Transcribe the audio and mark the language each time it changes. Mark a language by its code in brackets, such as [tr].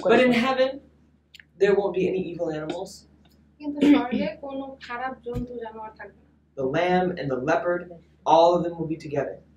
[en] But in heaven, there won't be any evil animals. [bn] কিন্তু স্বর্গে কোনো খারাপ জন্তু জানোয়ার থাকবে না [en] The lamb and the leopard, all of them will be together.